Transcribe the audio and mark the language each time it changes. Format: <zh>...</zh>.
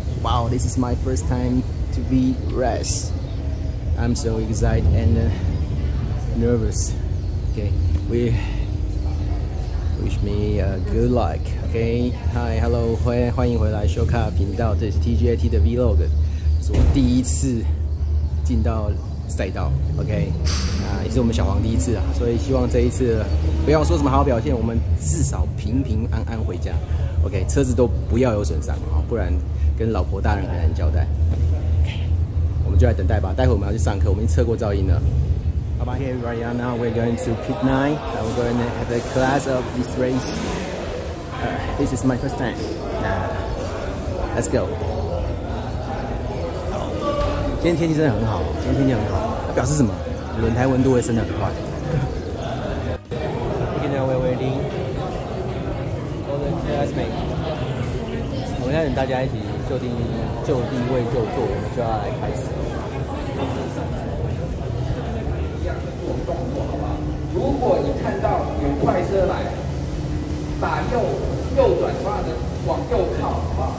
<en>Wow, this is my first time to be rest. I'm so excited and nervous. Okay, we wish me good luck. Okay, hi, hello,</en> <zh>欢迎回来 Shoka 频道。这是 TGAT 的 vlog. 是我第一次进到赛道 ，OK， 那也是我们小黄第一次啊，所以希望这一次不要说什么好表现，我们至少平平安安回家 ，OK， 车子都不要有损伤啊，不然跟老婆大人很难交代。 OK， 我们就来等待吧，待会我们要去上课，我们已经测过噪音了。好吧</zh> <en>，Here we are now. We're going to pit nine. I'm going to have a class of this race. This is my first time. Let's go.</en> <zh>今天天气真的很好，今天天气很好，表示什么？轮胎温度会升得很快。</zh> <en>Okay, now we're waiting for the classmate.</en> <zh>我们要等大家一起就地就地位就坐，我们就要来开始。如果你看到有快车来，打右转方向灯往右靠，好不好？</zh>